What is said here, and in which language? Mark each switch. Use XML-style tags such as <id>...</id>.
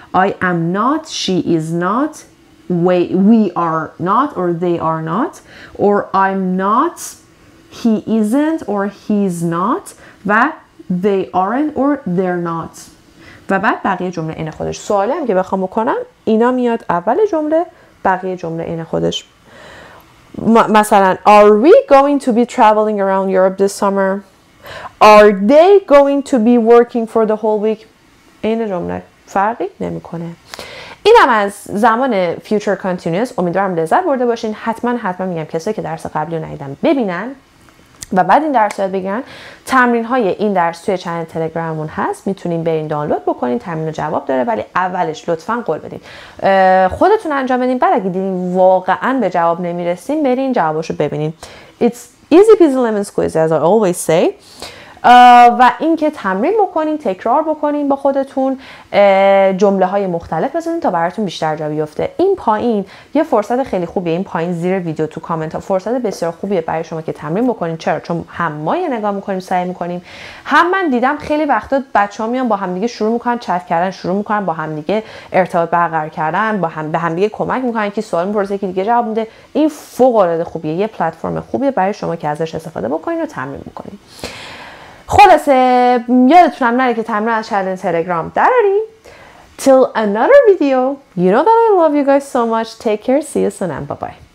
<en>I am not, she is not, we are not or they are not, or I'm not, he isn't or he's not, و they aren't or they're not.</en> <fa>و بعد بقیه جمله این خودش. سوالی هم که بخوام بکنم اینا میاد اول جمله، بقیه جمله این خودش. مثلا</fa> <en>Are we going to be traveling around Europe this summer? Are they going to be working for the whole week?</en> <fa>این جمله فرقی نمی کنه. اینم از زمان فیوچر کانتینیوس. امیدوارم لذت برده باشین. حتما حتما میگم کسی که درس قبلی رو ندیدن ببینن و بعد این درس رو بگیرن. تمرین های این درس توی چنل تلگراممون هست، میتونین برین دانلود بکنین، تمرین رو جواب داره، ولی اولش لطفا قول بدین خودتون انجام بدین. بعد اگه دیدین واقعا به جواب نمیرسین، برین جواباشو ببینین.</fa> <en>It's easy peasy lemon squeezy as I always say.</en> <fa>و اینکه تمرین بکنین، تکرار بکنین با خودتون، جمله های مختلف بزنین تا براتون بیشتر جا بیفته. این پایین یه فرصت خیلی خوبیه، این پایین زیر ویدیو تو کامنت ها فرصت بسیار خوبیه برای شما که تمرین بکنین. چرا؟ چون هم ما یه نگاه میکنیم، سعی میکنیم. هم من دیدم خیلی وقتا بچه‌ها میان با هم دیگه شروع میکنن چت کردن، شروع میکنن با هم دیگه ارتباط برقرار کردن، با هم به هم دیگه کمک میکنن که سوال میپرسه که دیگه جواب میده. این فوق العاده خوبیه، یه پلتفرم خوبیه برای شما که ازش استفاده بکنین و تمرین بکنین. خلاصه یادتون هم نره که تمرین از چنل تلگرام دراریم.</fa> <en>Till another video. You know that I love you guys so much. Take care. See you soon. Bye bye.</en>